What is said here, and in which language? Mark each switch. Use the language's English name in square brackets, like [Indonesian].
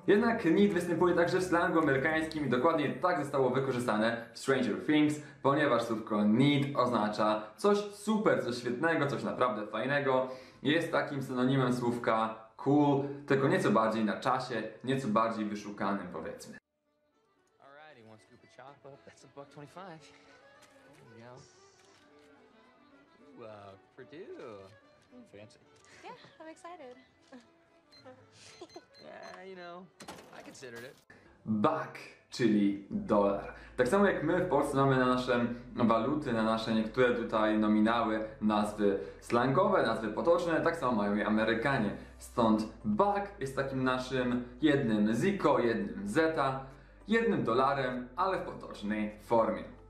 [Polish] Jednak need występuje także w slangu amerykańskim i dokładnie tak zostało wykorzystane w Stranger Things, ponieważ słówko need oznacza coś super, coś świetnego, coś naprawdę fajnego. Jest takim synonimem słówka cool, tylko nieco bardziej na czasie, nieco bardziej wyszukanym, powiedzmy. [English] Alrighty, one scoop of chocolate, that's $1.25. There you go. Ooh, Purdue. Fancy. Yeah, I'm excited. Yeah, you know, I considered it. [Polish] Buck, czyli dolar. Tak samo jak my w Polsce mamy na nasze waluty, na nasze niektóre tutaj nominały, nazwy slangowe, nazwy potoczne, tak samo mają i Amerykanie. Stąd buck jest takim naszym jednym ziko, jednym zeta, jednym dolarem, ale w potocznej formie.